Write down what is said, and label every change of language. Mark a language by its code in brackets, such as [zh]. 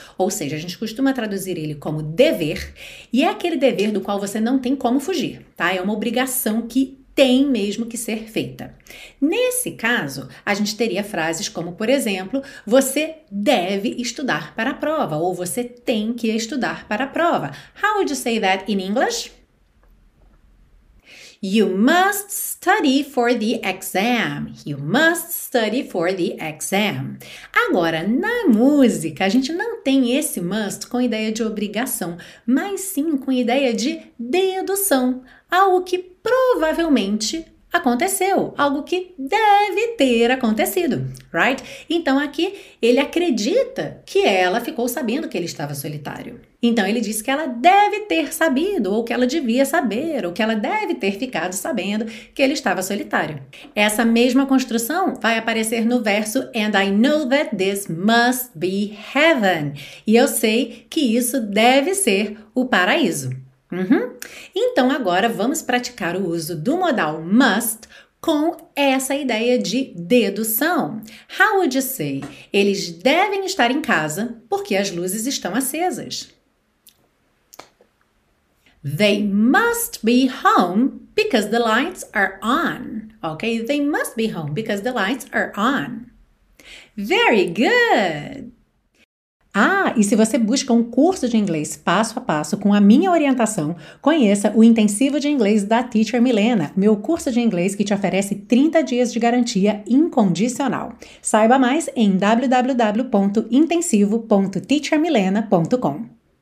[pt] Ou seja, a gente costuma traduzir ele como dever, e é aquele dever do qual você não tem como fugir, tá? É uma obrigação que tem mesmo que ser feita. Nesse caso, a gente teria frases como, por exemplo, você deve estudar para a prova, ou você tem que estudar para a prova. [en] How would you say that in English? You must study for the exam. You must study for the exam. [pt] Agora, na música, a gente não tem esse must com ideia de obrigação, mas sim com ideia de dedução. Algo que provavelmente aconteceu, algo que deve ter acontecido, [en] right? [pt] Então aqui ele acredita que ela ficou sabendo que ele estava solitário. Então ele diz que ela deve ter sabido, ou que ela devia saber, ou que ela deve ter ficado sabendo que ele estava solitário. Essa mesma construção vai aparecer no verso [en] "And I know that this must be heaven". [pt] E eu sei que isso deve ser o paraíso. Uhum. Então, agora, vamos praticar o uso do modal must com essa ideia de dedução. [en] How would you say? [pt] Eles devem estar em casa porque as luzes estão acesas. [en] They must be home because the lights are on. Ok? They must be home because the lights are on. Very good! [pt] Ah, e se você busca um curso de inglês passo a passo com a minha orientação, conheça o Intensivo de Inglês da Teacher Milena, meu curso de inglês que te oferece 30 dias de garantia incondicional. Saiba mais em www.intensivo.teachermilena.com.